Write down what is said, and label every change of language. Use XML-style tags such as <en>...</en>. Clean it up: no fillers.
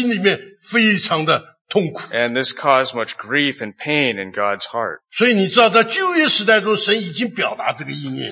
<zh>我们知道这个忠贞搅得神的心里面非常的痛苦。</zh> <en>And this caused much grief and pain in God's heart.</en> <zh>所以你知道在旧约时代中神已经表达这个意念。</zh>